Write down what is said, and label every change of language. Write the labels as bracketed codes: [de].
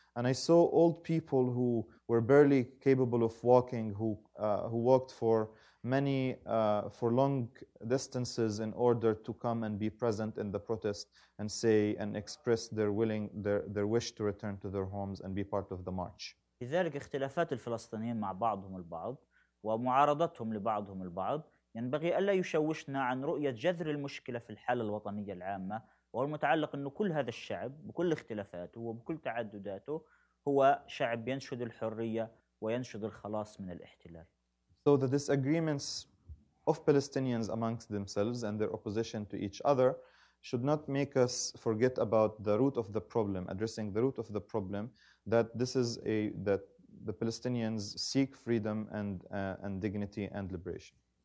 [en] And I saw old people who were barely capable of walking, who walked for many, for long distances in order to come and be present in the protest and say and express their wish to return to their homes and be part of the march. [ar] لذلك اختلافات الفلسطينيين مع بعضهم البعض ومعارضتهم لبعضهم البعض ينبغي ألا يشوشنا عن رؤية جذر المشكلة في الحالة الوطنية العامة والمتعلق أنه كل هذا الشعب بكل اختلافاته وبكل تعدداته هو شعب ينشد الحرية وينشد الخلاص من الاحتلال. [en] So the disagreements of Palestinians amongst themselves and their opposition to each other should not make us forget about the root of the problem, addressing the root of the problem, that this is a that the Palestinians seek freedom and dignity and liberation.